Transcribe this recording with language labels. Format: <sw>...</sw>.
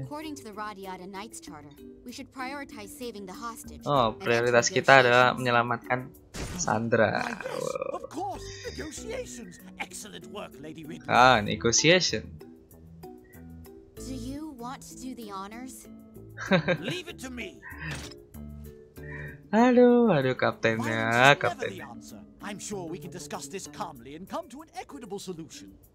<en>According to the Radiata Knight's Charter, we should prioritize saving the hostage.</en> <id>Oh, prioritas kita adalah menyelamatkan Sandra.</id> <en>Of course, negotiations. Excellent work, Lady Ridley. Ah, negotiation. Do you want to do the honors? Leave it to me.</en> <id>Aduh, kaptennya, kaptennya.</id> <en>I'm sure we can discuss this calmly and come to an equitable solution.</en>